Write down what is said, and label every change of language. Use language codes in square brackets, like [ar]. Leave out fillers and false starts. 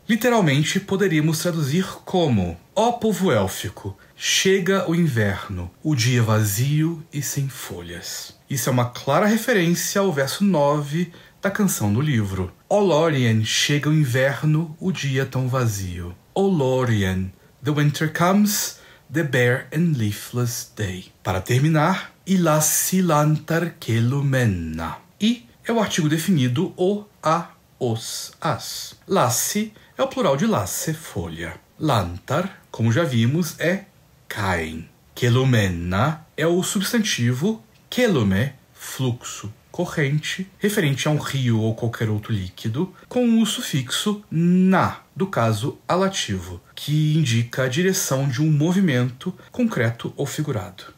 [pt] Literalmente, poderíamos traduzir como: ó povo élfico, chega o inverno, o dia vazio e sem folhas. Isso é uma clara referência ao verso 9 da canção do livro: ó Lórien, chega o inverno, o dia tão vazio. [en] Ó Lórien, the winter comes, the bare and leafless day. [pt] Para terminar, Ilassilantar Kelumenna. E é o artigo definido o, a, os, as. Lasse é o plural de lasse, folha. Lantar, como já vimos, é caem. Kelumena é o substantivo kelume, fluxo, corrente, referente a um rio ou qualquer outro líquido, com o sufixo na, do caso alativo, que indica a direção de um movimento concreto ou figurado.